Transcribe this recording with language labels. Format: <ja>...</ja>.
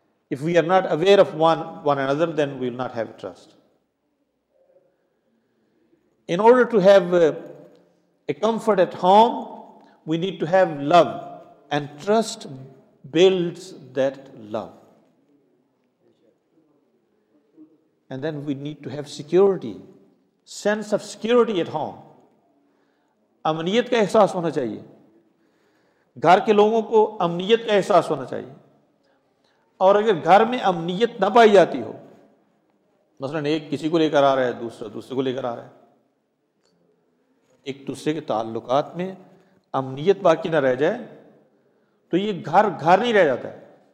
<en>If we are not aware of one another then we will not have trust. In order to have a comfort at home we need to have love and trust builds that love. And then we need to have security, sense of security at home.</en> <ur>امنیت کا احساس ہونا چاہیے، گھر کے لوگوں کو امنیت کا احساس ہونا چاہیے. اور اگر گھر میں امنیت نہ پائی جاتی ہو، مثلاً ایک کسی کو لے کر آ رہا ہے، دوسرا دوسرے کو لے کر آ رہا ہے، ایک دوسرے کے تعلقات میں امنیت باقی نہ رہ جائے، تو یہ گھر گھر نہیں رہ جاتا ہے.</ur>